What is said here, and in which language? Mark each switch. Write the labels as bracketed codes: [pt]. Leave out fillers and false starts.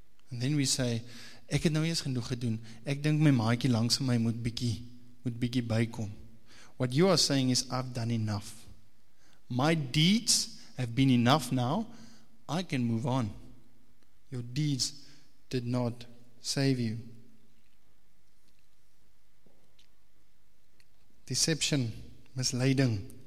[en] And then we say, [af] ek het nou eers genoeg gedoen. Ek dink my maatjie langs my moet bietjie bykom. [en] What you are saying is, I've done enough. My deeds have been enough now. I can move on. Your deeds did not save you. Deception, misleading.